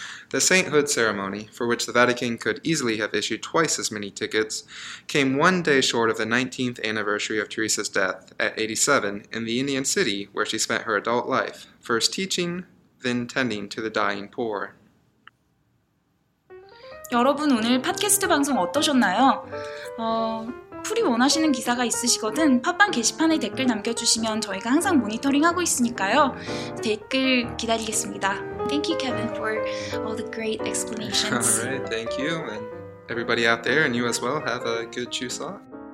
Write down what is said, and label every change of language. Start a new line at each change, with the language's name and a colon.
English: The sainthood ceremony, for which the Vatican could easily have issued twice as many tickets, came one day short of the 19th anniversary of Teresa's death at 87 in the Indian city where she spent her adult life, first teaching, then tending to the dying poor.
Korean: 여러분 오늘 팟캐스트 방송 어떠셨나요? 풀이 원하시는 기사가 있으시거든 팟빵 게시판에 댓글 남겨주시면 저희가 항상 모니터링하고 있으니까요. 댓글 기다리겠습니다.
English: Thank you, Kevin, for all the great explanations. All right, thank you. And everybody out there, and you as well, have a good Chuseok.